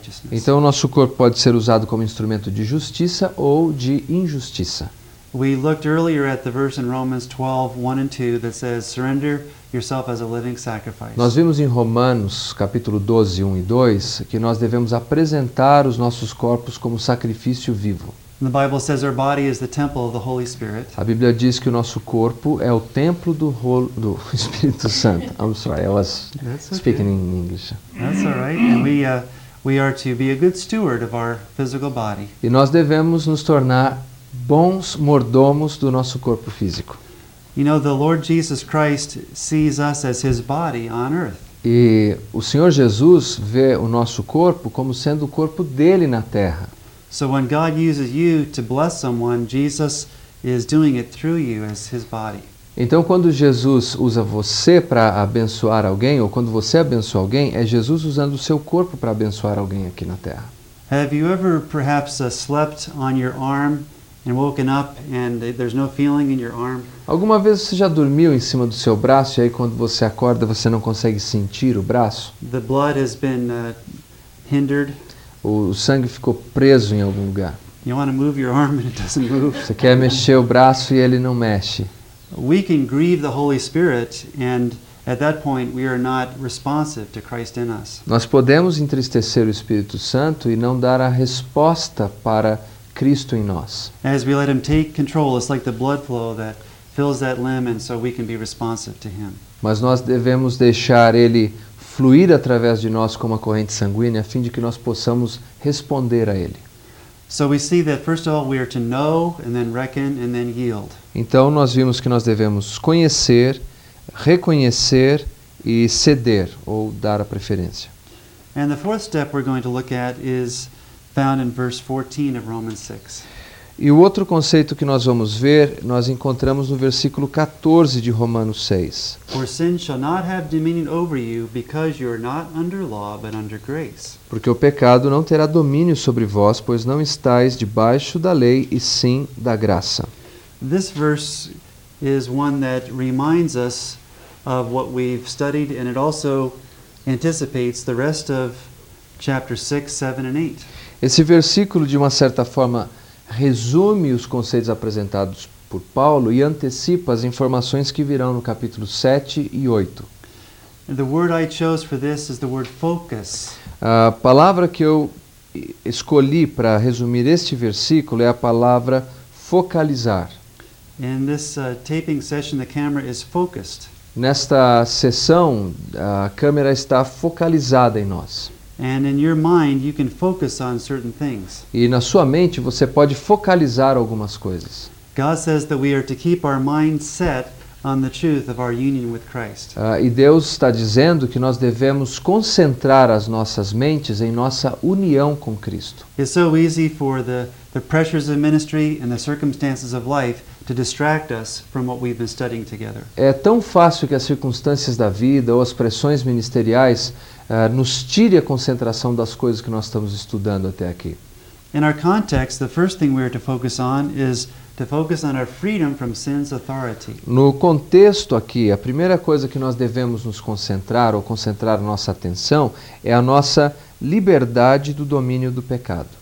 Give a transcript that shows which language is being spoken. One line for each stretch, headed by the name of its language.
Portuguese: Então, o nosso corpo pode ser usado como instrumento de justiça ou de injustiça.
English: We looked earlier at the verse in Romans 12, 1 and 2 that says, surrender yourself as a living sacrifice.
Portuguese: Nós vimos em Romanos, capítulo 12, 1 e 2, que nós devemos apresentar os nossos corpos como sacrifício vivo.
English: The Bible says our body is the temple of the Holy Spirit.
Portuguese: A Bíblia diz que o nosso corpo é o templo do Espírito Santo.
English: I'm sorry, I was speaking in English. That's all right. And we are to be a good steward of our physical body.
Portuguese: E nós devemos nos tornar bons mordomos do nosso corpo físico.
English: You know, the Lord Jesus Christ sees us as his body on earth.
Portuguese: E o Senhor Jesus vê o nosso corpo como sendo o corpo dele na terra.
English: So when God uses you to bless someone, Jesus is doing it through you as his body.
Portuguese: Então quando Jesus usa você para abençoar alguém, ou quando você abençoa alguém, é Jesus usando o seu corpo para abençoar alguém aqui na terra.
English: Have you ever perhaps slept on your arm and woken up and there's no feeling in your arm?
Portuguese: Alguma vez você já dormiu em cima do seu braço e aí quando você acorda você não consegue sentir o braço?
English: The blood has been hindered.
Portuguese: O sangue ficou preso em algum lugar.
English: You want to move your arm and it doesn't move.
Portuguese: Você quer mexer o braço e ele não mexe.
English: We can grieve the Holy Spirit and at that point we are not responsive to Christ in us.
Portuguese: Nós podemos entristecer o Espírito Santo e não dar a resposta para Cristo em nós.
English: As we let him take control, it's like the blood flow that fills that limb and so we can be responsive to him.
Portuguese: Mas nós devemos deixar ele fluir através de nós como a corrente sanguínea a fim de que nós possamos responder a ele.
English: So we see that first of all we are to know and then reckon and then yield.
Portuguese: Então nós vimos que nós devemos conhecer, reconhecer e ceder ou dar a preferência.
English: And the fourth step we're going to look at is found in verse 14 of Romans 6.
Portuguese: E o outro conceito que nós vamos ver, nós encontramos no versículo 14 de Romanos 6.
English: For sin shall not have dominion over you because you are not under law but under grace.
Portuguese: Porque o pecado não terá domínio sobre vós, pois não estais debaixo da lei e sim da graça.
English: This verse is one that reminds us of what we've studied and it also anticipates the rest of chapter 6, 7 and 8.
Portuguese: Esse versículo de uma certa forma resume os conceitos apresentados por Paulo e antecipa as informações que virão no capítulo 7 e 8.
English: The word I chose for this is the word focus.
Portuguese: A palavra que eu escolhi para resumir este versículo é a palavra focalizar.
English: In this taping session, the camera is focused.
Portuguese: Nesta sessão, a câmera está focalizada em nós.
English: And in your mind, you can focus on certain things.
Portuguese: E na sua mente, você pode focalizar algumas coisas.
English: God says that we are to keep our mind set on the truth of our union with Christ.
Portuguese: E Deus está dizendo que nós devemos concentrar as nossas mentes em nossa união com Cristo.
English: It's so easy for the pressures of ministry and the circumstances of life to distract us from what we've been studying together.
Portuguese: É tão fácil que as circunstâncias da vida ou as pressões ministeriais nos tire a concentração das coisas que nós estamos estudando até aqui.
English: In our context, the first thing we are to focus on is to focus on our freedom from sin's authority.
Portuguese: No contexto aqui, a primeira coisa que nós devemos nos concentrar ou concentrar nossa atenção é a nossa liberdade do domínio do pecado.